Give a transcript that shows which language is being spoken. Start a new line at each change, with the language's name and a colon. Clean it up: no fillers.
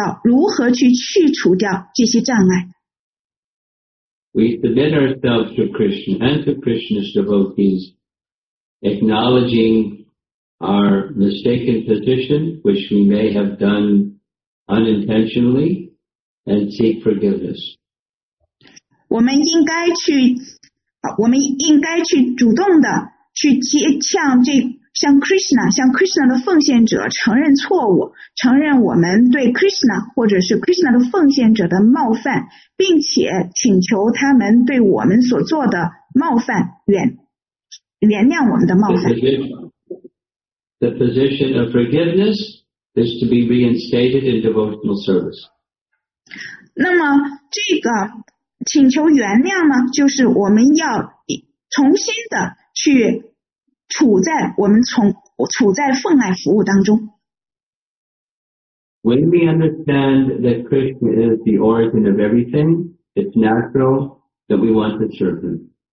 Chinese: 我们可以从Brahma的这个祈祷文当中去了解到如何去去除掉这些障碍。
English: We submit ourselves to Krishna and to Krishna's devotees, acknowledging our mistaken position, which we may have done unintentionally, and seek forgiveness.
Chinese: 我们应该去主动的去向 Krishna, 向 Krishna 的奉献者承认错误, 承认我们对 Krishna 或者是 Krishna 的奉献者的冒犯, 并且请求他们对我们所做的冒犯原谅我们的冒犯。
English: The position of forgiveness is to be reinstated in devotional service.
Chinese: 那么这个 请求原谅呢, 就是我们要重新的去处在奉爱服务当中。
English: When we understand that Krishna is the origin of everything, it's natural that we want to serve him.